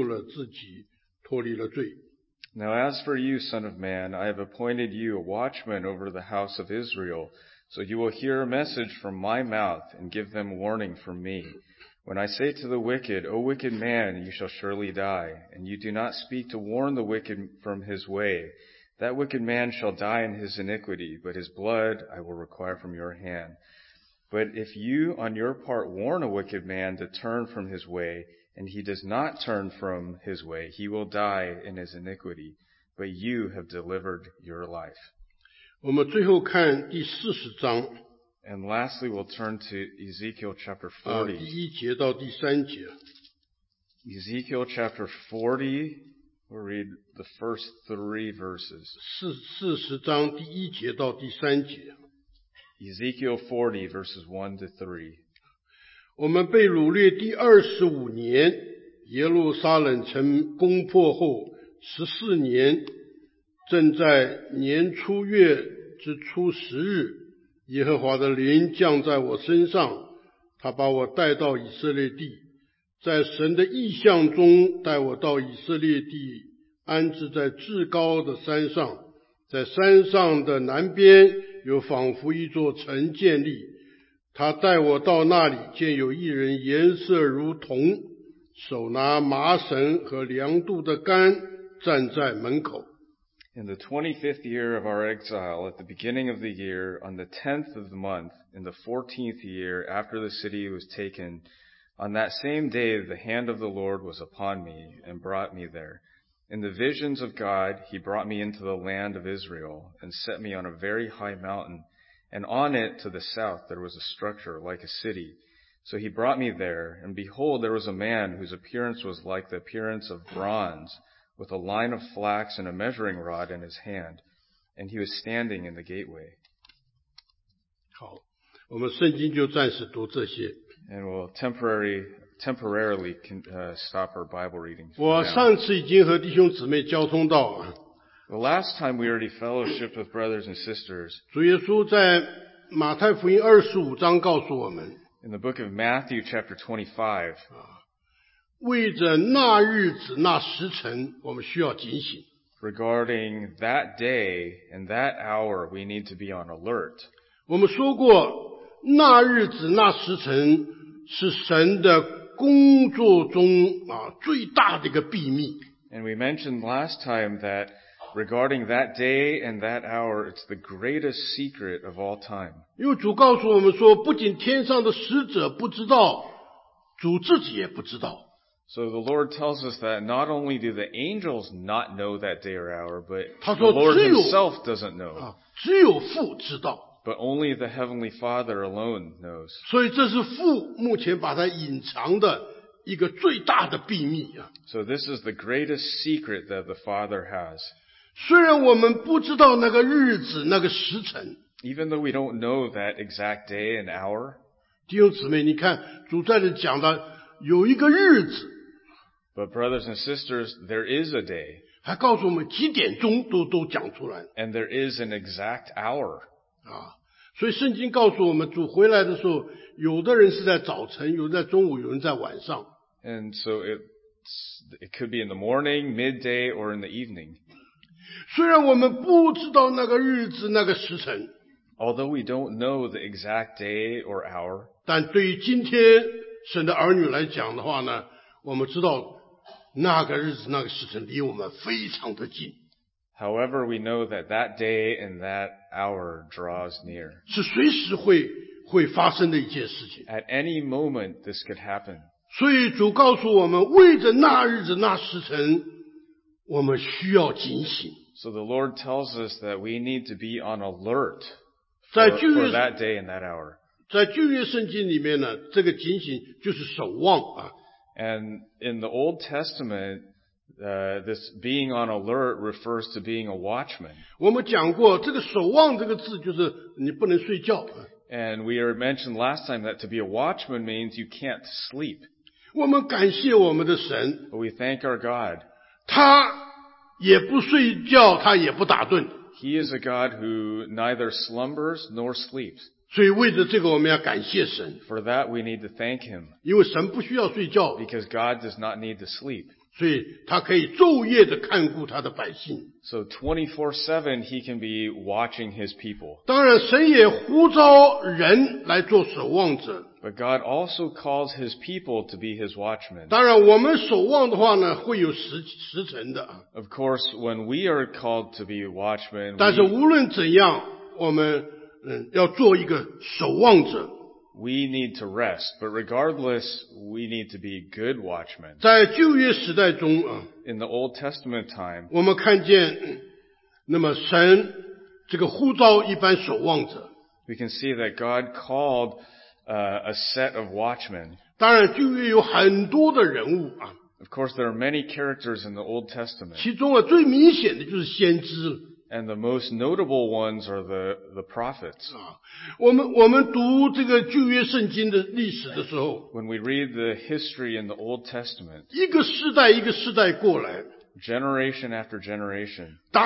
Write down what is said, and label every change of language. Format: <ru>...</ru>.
<zh>我对恶人说：“恶人呐，你必要死。你以西结若不开口警戒恶人，使他离开所行的道，这恶人必死在罪孽之中。我却要向你讨他丧命的罪。倘若你警戒恶人，转离所行的道，他仍不转离，死在他必死在罪孽之中，你却救了自己，脱离了罪。”</zh> <en>Now as for you, son of man, I have appointed you a watchman over the house of Israel, so you will hear a message from my mouth and give them warning from me. When I say to the wicked, O wicked man, you shall surely die, and you do not speak to warn the wicked from his way, that wicked man shall die in his iniquity, but his blood I will require from your hand. But if you on your part warn a wicked man to turn from his way, and he does not turn from his way, he will die in his iniquity, but you have delivered your life.</en> <zh>我们最后看第四十章。</zh> <en>And lastly, we'll turn to Ezekiel chapter 40.</en> <zh>第一节到第三节。</zh> <en>Ezekiel chapter 40, we'll read the first three verses.</en> <zh>四十章第一节到第三节。</zh> <en>Ezekiel 40, verses 1 to 3.</en> <zh>我们被掳掠第二十五年，耶路撒冷城攻破后十四年，正在年初月之初十日，耶和华的灵降在我身上，他把我带到以色列地，在神的意象中带我到以色列地，安置在至高的山上，在山上的南边有仿佛一座城建立，他带我到那里，见有一人颜色如铜，手拿麻绳和量度的杆，站在门口。</zh> <en>In the 25th year of our exile, at the beginning of the year, on the 10th of the month, in the 14th year after the city was taken, on that same day the hand of the Lord was upon me and brought me there. In the visions of God, he brought me into the land of Israel and set me on a very high mountain, and on it to the south there was a structure like a city. So he brought me there, and behold, there was a man whose appearance was like the appearance of bronze, with a line of flax and a measuring rod in his hand, and he was standing in the gateway.</en> <zh>好，我们圣经就暂时读这些。</zh> <en>And we'll temporarily stop our Bible readings.</en> <zh>我上次已经和弟兄姊妹交通道。</zh> <en>The last time we already fellowshiped with brothers and sisters.</en> <zh>主耶稣在马太福音二十五章告诉我们。</zh> <en>In the book of Matthew, chapter 25.</en> <zh>为着那日子那时辰，我们需要警醒。</zh> <en>Regarding that day and that hour, we need to be on alert.</en> <zh>我们说过，那日子那时辰是神的工作中啊最大的一个秘密。</zh> <en>And we mentioned last time that regarding that day and that hour, it's the greatest secret of all time.</en> <zh>因为主告诉我们说，不仅天上的使者不知道，主自己也不知道。</zh> <en>So the Lord tells us that not only do the angels not know that day or hour, but the Lord himself doesn't know.</en> <zh>只有父知道。</zh> <en>But only the Heavenly Father alone knows.</en> <zh>所以这是父目前把它隐藏的一个最大的秘密啊。</zh> <en>So this is the greatest secret that the Father has.</en> <zh>虽然我们不知道那个日子，那个时辰。</zh> <en>Even though we don't know that exact day and hour.</en> <zh>弟兄姊妹，你看，主在这讲的有一个日子。</zh> <en>But brothers and sisters, there is a day.</en> <zh>还告诉我们几点钟都讲出来。</zh> <en>And there is an exact hour.</en> <zh>啊，所以圣经告诉我们，主回来的时候，有的人是在早晨，有人在中午，有人在晚上。</zh> <en>And so it could be in the morning, midday, or in the evening.</en> <zh>虽然我们不知道那个日子，那个时辰。</zh> <en>Although we don't know the exact day or hour.</en> <zh>但对于今天神的儿女来讲的话呢，我们知道那个日子那个时辰离我们非常的近。</zh> <en>However, we know that that day and that hour draws near.</en> <zh>是随时会发生的一件事情。</zh> <en>At any moment, this could happen.</en> <zh>所以主告诉我们，为着那日子那时辰，我们需要警醒。</zh> <en>So the Lord tells us that we need to be on alert for that day and that hour.</en> <zh>在旧约圣经里面呢，这个警醒就是守望啊。</zh> <en>And in the Old Testament, this being on alert refers to being a watchman.</en> <zh>我们讲过，这个守望这个字就是你不能睡觉。</zh> <en>And we mentioned last time that to be a watchman means you can't sleep.</en> <zh>我们感谢我们的神。</zh> <en>But we thank our God.</en> <zh>他也不睡觉，他也不打盹。</zh> <en>He is a God who neither slumbers nor sleeps.</en> <zh>所以为着这个我们要感谢神。</zh> <en>For that we need to thank him.</en> <zh>因为神不需要睡觉。</zh> <en>Because God does not need to sleep.</en> <zh>所以他可以昼夜的看顾他的百姓。</zh> <en>So 24/7 he can be watching his people.</en> <zh>当然神也呼召人来做守望者。</zh> <en>But God also calls his people to be his watchmen.</en> <zh>当然我们守望的话呢会有时辰的。</zh> <en>Of course, when we are called to be watchmen,</en> <zh>但是无论怎样我们要做一个守望者。</zh> <en>we need to rest, but regardless, we need to be good watchmen.</en> <zh>在旧约时代中,</zh> <en>in the Old Testament time,</en> <zh>我们看见, 那么神, 这个呼召一般守望者,</zh> <en>we can see that God called a set of watchmen.</en> <zh>当然旧约有很多的人物,</zh> <en>of course, there are many characters in the Old Testament.</en> <zh>其中啊, 最明显的就是先知,</zh> <en>and the most notable ones are the prophets.</en> <zh>啊, 我们读这个旧约圣经的历史的时候,</zh> <en>when we read the history in the Old Testament,</en> <zh>一个世代一个世代过来,</zh> <en>generation after generation,</en>